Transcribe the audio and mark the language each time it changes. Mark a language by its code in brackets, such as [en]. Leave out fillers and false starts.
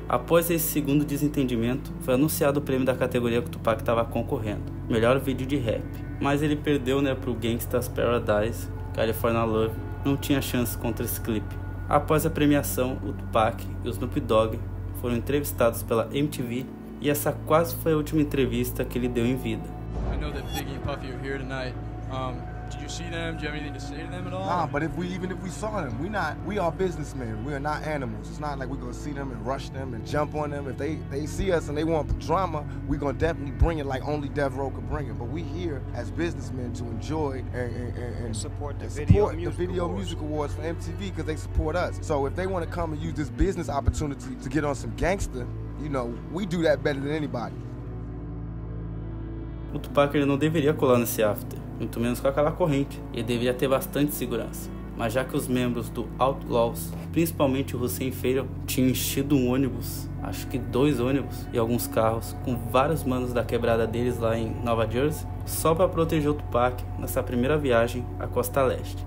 [pt] Após esse segundo desentendimento, foi anunciado o prêmio da categoria que o Tupac estava concorrendo, Melhor Vídeo de Rap. Mas ele perdeu, né, pro Gangsta's Paradise, California Love, não tinha chance contra esse clipe. Após a premiação, o Tupac e o Snoop Dogg foram entrevistados pela MTV. E essa quase foi a última entrevista que ele deu em vida. [en] I know that Biggie and Puffy are here tonight. Did you see them? Do you have anything to say to them at all? Nah, but even if we saw them, we are businessmen. We are not animals. It's not like we're gonna see them and rush them and jump on them. If they see us and they want drama, we're gonna definitely bring it like only Death Row could bring it. But we here as businessmen to enjoy and support the Video Music Awards for MTV because they support us. So if they want to come and use this business opportunity to get on some gangster, you know, we do that better than anybody. [pt] O Tupac, ele não deveria colar nesse After, muito menos com aquela corrente. Ele deveria ter bastante segurança. Mas já que os membros do Outlaws, principalmente o Hussein Feiro, tinham enchido um ônibus, acho que dois ônibus e alguns carros, com vários manos da quebrada deles lá em Nova Jersey, só para proteger o Tupac nessa primeira viagem à Costa Leste.